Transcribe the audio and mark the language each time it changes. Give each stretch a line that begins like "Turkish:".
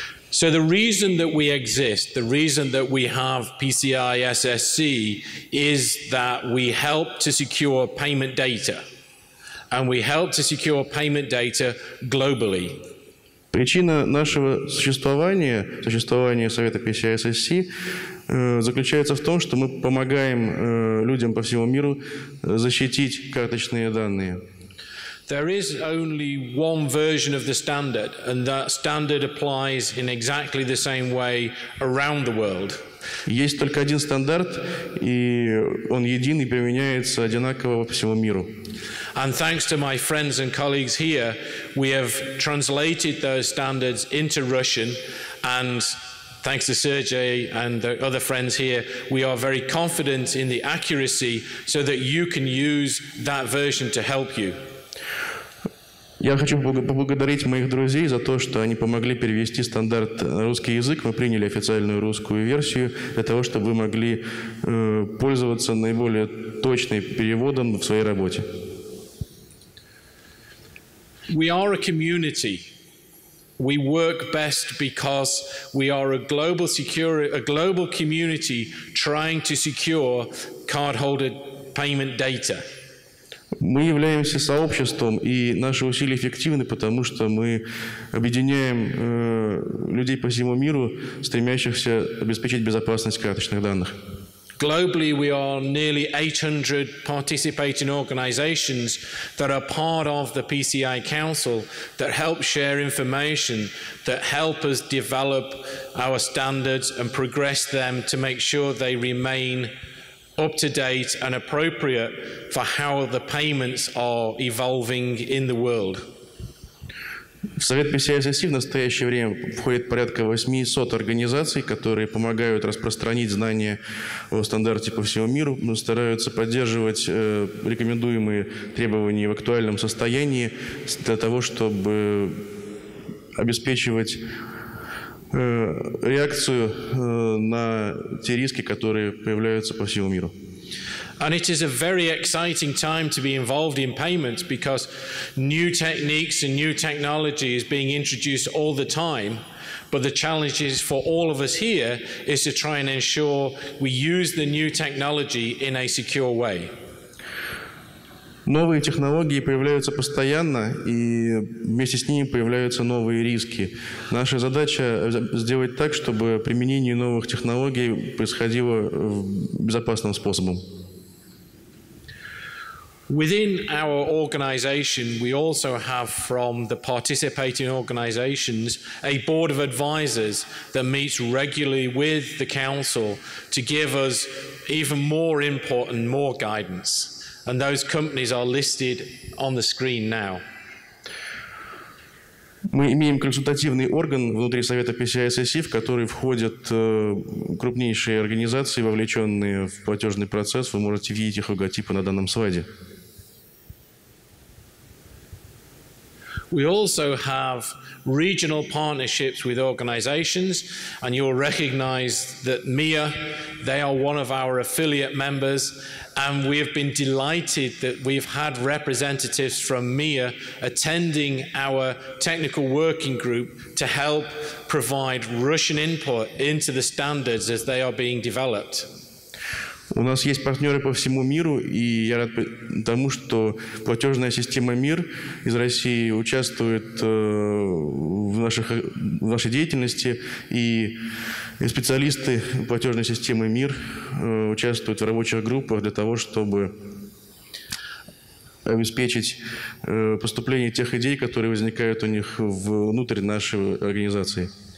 English: So the reason that we exist, the reason that we have PCI SSC is that we help to secure payment data. And we help to secure payment data globally.
Russian: Причина нашего существования, существования Совета PCI SSC, заключается в том, что мы помогаем людям по всему миру защитить карточные данные.
English: There is only one version of the standard, and that standard applies in exactly the same way around the world.
Russian: Есть только один стандарт, и он един и применяется одинаково по всему миру.
English: And thanks to my friends and colleagues here, we have translated those standards into Russian, and thanks to Sergey and the other friends here, we are very confident in the accuracy so that you can use that version to help you.
Russian: Я хочу поблагодарить моих друзей за то, что они помогли перевести стандарт на русский язык. Мы приняли официальную русскую версию для того, чтобы вы могли пользоваться наиболее точным переводом в своей работе.
English: We are a community. We work best because we are a global community trying to secure cardholder payment data.
Russian: Мы являемся сообществом, и наши усилия эффективны, потому что мы объединяем людей по всему миру, стремящихся обеспечить безопасность карточных данных.
English: Globally, we are nearly 800 participating organizations that are part of the PCI Council that help share information, that help us develop our standards and progress them to make sure they remain up to date and appropriate for how the payments are evolving in the world.
Russian: В Совет PCI SSC в настоящее время входит порядка 800 организаций, которые помогают распространить знания о стандарте по всему миру, стараются поддерживать рекомендуемые требования в актуальном состоянии для того, чтобы обеспечивать реакцию на те риски, которые появляются по всему миру.
English: And it is a very exciting time to be involved in payments because new techniques and new technology is being introduced all the time. But the challenge is for all of us here is to try and ensure we use the new technology in a secure way.
Russian: Новые технологии появляются постоянно, и вместе с ними появляются новые риски. Наша задача сделать так, чтобы применение новых технологий происходило безопасным способом.
English: Within our organization, we also have from the participating organizations a board of advisors that meets regularly with the council to give us even more input and more guidance. And those companies are listed on the screen now.
Russian: Мы имеем консультативный орган внутри Совета PCI SSC, в который входят крупнейшие организации, вовлеченные в платежный процесс. Вы можете видеть их логотипы на данном слайде.
English: We also have regional partnerships with organizations, and you'll recognize that MIA, they are one of our affiliate members, and we have been delighted that we've had representatives from MIA attending our technical working group to help provide Russian input into the standards as they are being developed.
Russian: У нас есть партнеры по всему миру, и я рад тому, что платежная система МИР из России участвует в нашей деятельности, и специалисты платежной системы МИР участвуют в рабочих группах для того, чтобы обеспечить поступление тех идей, которые возникают у них внутрь нашей организации.